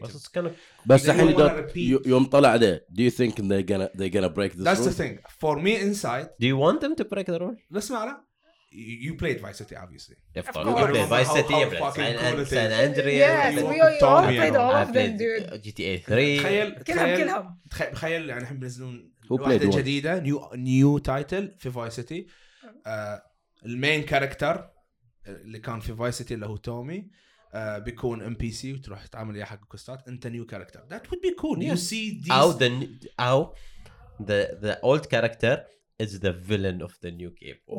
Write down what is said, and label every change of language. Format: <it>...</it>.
<en>But it's kind of...</en> <ar>بس الحين يوم طلع ده</ar> <en>do you think they're gonna break this That's rule? That's the thing. For me inside... Do you want them to break the rule?</en> <ar>لسمع على.</ar> <en>You played Vice City, obviously. Of course. You played Vice City, you played San Andreas. Yes, we all played all of them, dude. GTA 3.</en> <ar>كلهم. تخيل يعني نحن بنزلون واحدة جديدة,</ar> <en>new title</en> <ar>في Vice City. المين كاركتر اللي كان في Vice City اللي هو تومي بيكون NPC وتروح تعمل يا حق كوستات.</ar> <en>أنت new character. That would be cool. You see these... The old character is the villain of the new game.</en>